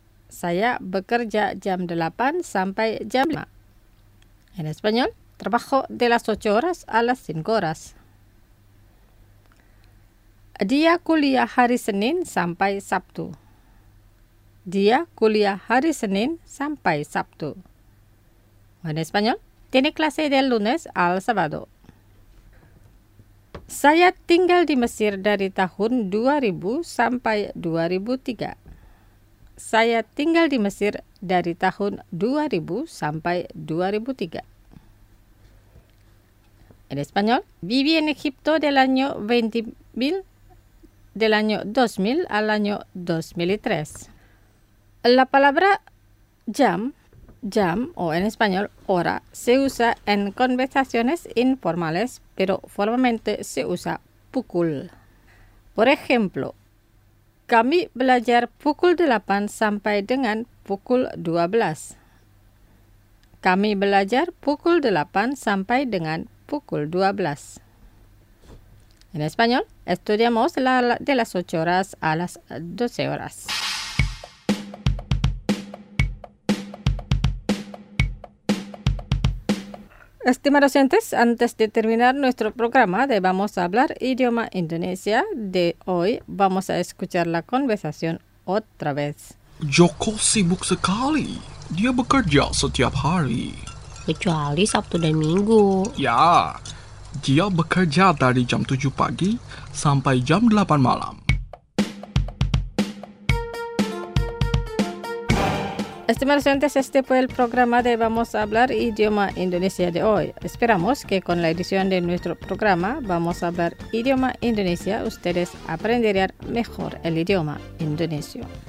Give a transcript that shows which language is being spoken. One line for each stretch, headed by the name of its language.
Indonesian: Saya bekerja jam 8 sampai jam 5.
Spanish: En español, trabajo de las 8 horas a las 5 horas.
Indonesian: Dia kuliah hari Senin sampai Sabtu. Dia kuliah hari Senin sampai Sabtu.
Spanish: En español, tiene clase del lunes al sábado.
Indonesian: Saya tinggal di Mesir dari tahun 2000 sampai 2003. Saya tinggal di Mesir dari tahun 2000 sampai 2003.
Spanish: En español, viví en Egipto del año 2000 al año 2003. La palabra jam, o en español, hora, se usa en conversaciones informales, pero formalmente se usa pukul. Por ejemplo,
Indonesian: kami belajar pukul 8 sampai dengan pukul 12. Kami belajar pukul 8 sampai dengan pukul 12.
Spanish: En español, estudiamos de las 8 horas a las 12 horas. Estimados oyentes, antes de terminar nuestro programa de Vamos a Hablar Idioma Indonesia de hoy, vamos a escuchar la conversación otra vez.
Indonesian: Joko sibuk sekali. Dia bekerja setiap hari. Kecuali Sabtu dan Minggu. Ya, dia bekerja dari jam 7 pagi sampai jam 8 malam.
Spanish: Estimados oyentes, este fue el programa de Vamos a Hablar Idioma Indonesia de hoy. Esperamos que con la edición de nuestro programa Vamos a Hablar Idioma Indonesia, ustedes aprenderán mejor el idioma indonesio.